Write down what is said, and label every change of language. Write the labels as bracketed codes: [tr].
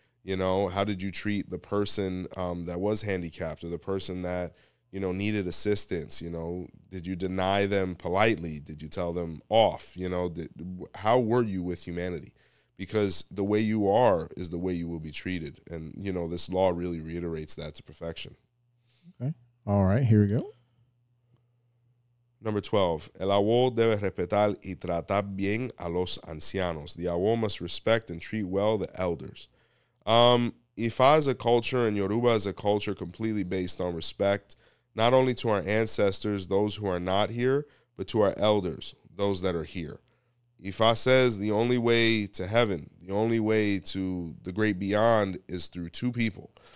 [en] You know, how did you treat the person that was handicapped or the person that, you know, needed assistance? You know, did you deny them politely? Did you tell them off? You know, how were you with humanity? Because the way you are is the way you will be treated. And, you know, this law really reiterates that to perfection. Okay. All right. Here we go. Number 12, [es] el abuelo debe respetar y tratar bien a los ancianos. [en] The abuelo must respect and treat well the elders. Ifa is a culture and Yoruba is a culture completely based on respect, not only to our ancestors, those who are not here, but to our elders, those that are here. Ifa says the only way to heaven, the only way to the great beyond is through two people.